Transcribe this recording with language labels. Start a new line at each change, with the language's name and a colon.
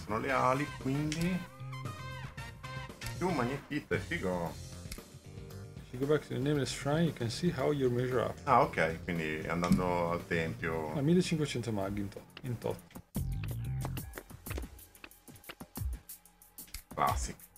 Italian: Sono le ali, quindi più magnetite, figo.
English: If you go back to the nameless shrine you can see how you measure up.
Italian: Ah ok, quindi andando al tempio. A 1500 mag in tot.
English: Classic.